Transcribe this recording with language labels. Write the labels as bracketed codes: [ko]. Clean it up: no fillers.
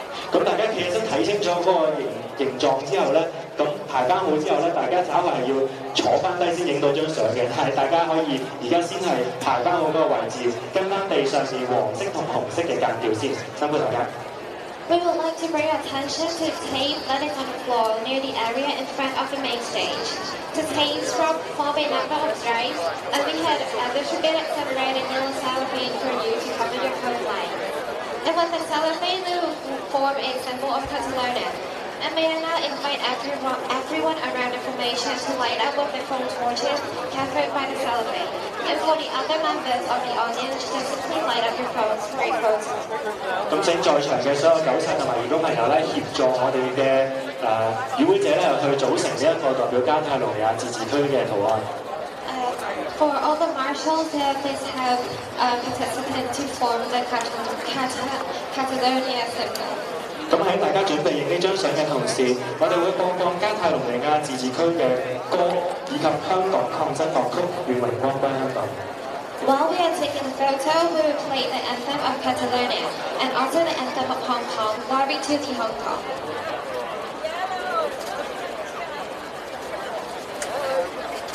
[yue] 咁大家企起身睇清楚嗰個形狀之後咧。咁排班好之後咧，大家稍後係要坐翻低先影到張相嘅。但係大家可以而家先係排班好嗰個位置，跟翻地上面黃色同紅色嘅間調先。辛苦大家。 [en] We would like to bring attention to tape that is on the floor near the area in front of the main stage. The tapes from Kobe number of stripes, and we had distributed some red and yellow cellophane for you to cover your color line. It was the cellophane that would form a symbol of Catalonia. And may I now invite everyone around the formation to light up with the foam torches covered by the cellophane. And for the other members of the audience, just simply light up your phones for a photo. [yue] 咁請在場嘅所有九七同埋義工朋友咧，協助我哋嘅與會者咧，去組成呢一個代表加泰羅尼亞自治區嘅圖案。 [en] For all the marshals, please have participants to form the Catalonia symbol. [yue] 咁喺大家準備影呢張相嘅同時，我哋會播放加泰隆尼亞自治區嘅歌，以及香港抗爭樂曲《願榮光歸香港》。 [en] While we are taking the photo, we will play the anthem of Catalonia and also the anthem of Hong Kong, Glory to the Hong Kong.